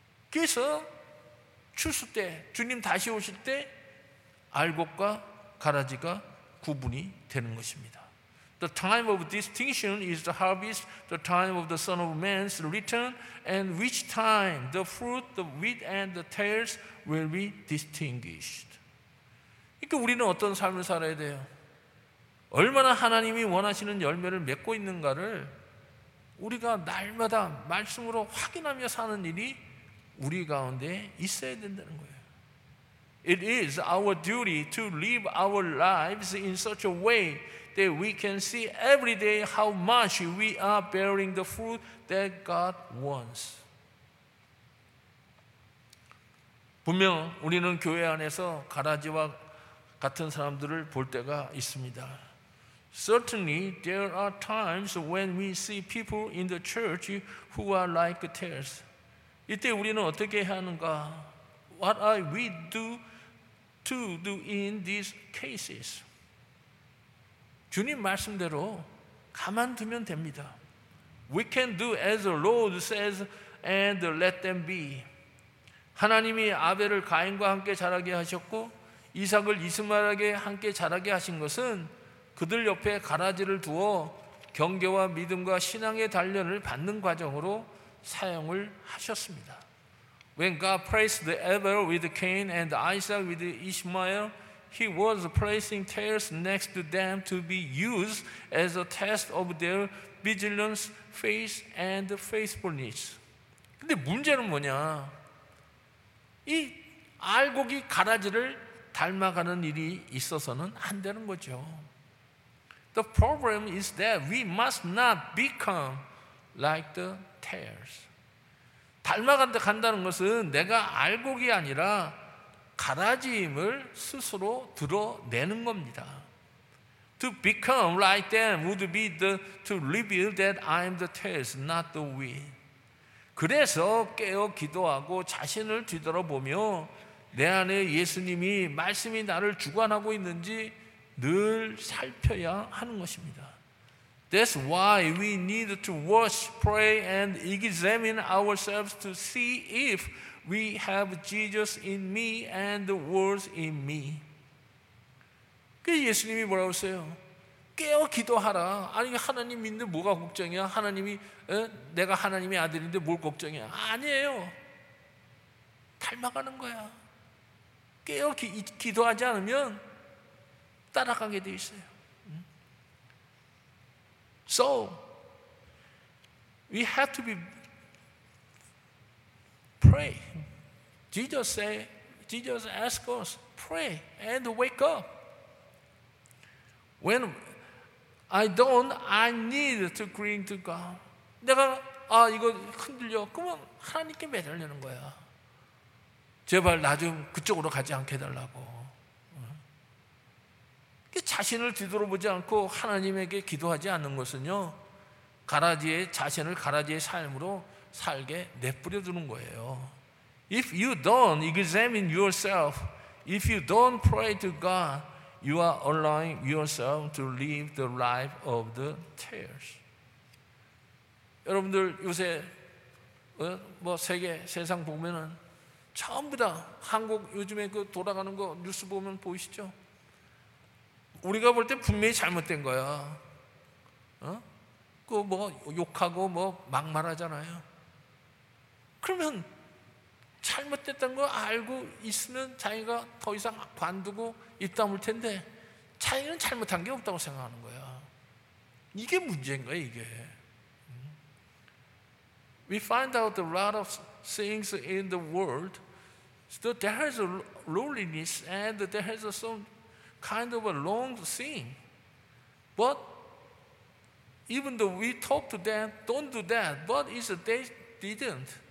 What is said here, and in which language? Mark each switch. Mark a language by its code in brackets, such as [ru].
[ko] 그래서 추수 때, 주님 다시 오실 때 알곡과 가라지가 구분이 되는 것입니다. [en] The time of distinction is the harvest, the time of the Son of Man's return, and which time the fruit, the wheat, and the tares will be distinguished. [ko] 그러니까 우리는 어떤 삶을 살아야 돼요? 얼마나 하나님이 원하시는 열매를 맺고 있는가를 우리가 날마다 말씀으로 확인하며 사는 일이 우리 가운데 있어야 된다는 거예요. [en] It is our duty to live our lives in such a way that we can see every day how much we are bearing the fruit that God wants. [ko] 분명 우리는 교회 안에서 가라지와 같은 사람들을 볼 때가 있습니다. [en] Certainly, there are times when we see people in the church who are like tares. [ko] 이때 우리는 어떻게 해야 하는가? [en] What are we do? To do in these cases, [ko] 주님 말씀대로 가만두면 됩니다. [en] We can do as the Lord says and let them be. [ko] 하나님이 아벨을 가인과 함께 자라게 하셨고 이삭을 이스마엘에게 함께 자라게 하신 것은 그들 옆에 가라지를 두어 경계와 믿음과 신앙의 단련을 받는 과정으로 사용을 하셨습니다. [en] When God placed Abel with Cain and Isaac with Ishmael, he was placing tares next to them to be used as a test of their vigilance, faith, and faithfulness. [ko] 근데 문제는 뭐냐? 이 알곡이 가라지를 닮아가는 일이 있어서는 안 되는 거죠. [en] The problem is that we must not become like the tares. [ko] 닮아간다 간다는 것은 내가 알곡이 아니라 가라지임을 스스로 드러내는 겁니다. [en] To become like them would be to reveal that I am the tares, not the wheat. [ko] 그래서 깨어 기도하고 자신을 뒤돌아보며 내 안에 예수님이 말씀이 나를 주관하고 있는지 늘 살펴야 하는 것입니다. [en] That's why we need to watch, pray, and examine ourselves to see if we have Jesus in me and the words in me. [ko] 그 예수님이 뭐라고 했어요? 깨어 기도하라. 아니, 하나님 믿는데 뭐가 걱정이야? 하나님이, 내가 하나님의 아들인데 뭘 걱정이야? 아니에요. 닮아가는 거야. 깨어 기도하지 않으면 따라가게 돼 있어요. [en] So, we have to be pray. Jesus asked us, pray and wake up. When I don't, I need to cling to God. [ko] 내가 이거 흔들려. 그러면 하나님께 매달리는 거야. 제발 나 좀 그쪽으로 가지 않게 해달라고. 자신을 뒤돌아보지 않고 하나님에게 기도하지 않는 것은요 자신을 가라지의 삶으로 살게 내뿌려 두는 거예요. [en] If you don't examine yourself, if you don't pray to God, you are allowing yourself to live the life of the tares. [ko] 여러분들 요새 뭐 세계 세상 보면은 전부 다 한국 요즘에 그 돌아가는 거 뉴스 보면 보이시죠? 우리가 볼 때 분명히 잘못된 거야. 그 뭐 욕하고 뭐 막말하잖아요. 그러면 잘못됐던 거 알고 있으면 자기가 더 이상 관두고 입다물 텐데 자기는 잘못한 게 없다고 생각하는 거야. 이게 문제인 거야, 이게. [en] We find out a lot of things in the world. So there is a loneliness and there is some kind of a long thing. But even though we talk to them, don't do that, but they didn't.